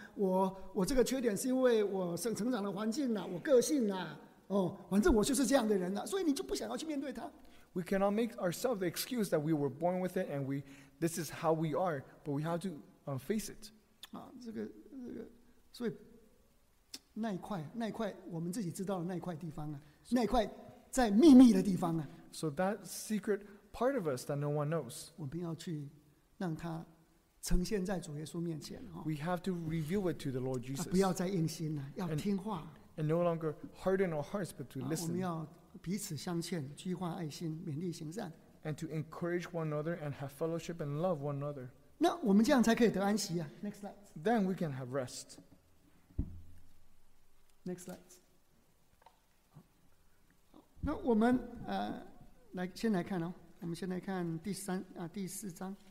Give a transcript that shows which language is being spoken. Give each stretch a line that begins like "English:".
Chinese: 我这个缺点是因为我成长的环境呐，我个性呐，反正我就是这样的人呐，所以你就不想要去面对它。
English: We cannot make ourselves the excuse that we were born with it and this is how we are, but we have to face it.
Chinese: 这个，所以那一块我们自己知道的那一块地方那一块在秘密的地方
English: So that secret part of us that no one knows.
Chinese: 我们要去让它呈现在主耶稣面前。
English: We have to reveal it to the Lord Jesus.
Chinese: 不要再硬心了，要听话。
English: And no longer harden our hearts, but to listen.
Chinese: 我们要彼此相劝，激化爱心，勉励行善。
English: And to encourage one another and have fellowship and love one another.
Chinese: 那我们这样才可以得安息啊。
English: Next slide. Then we can have rest. Next slide.
Chinese: 那我们来先来看哦，我们先来看第四章。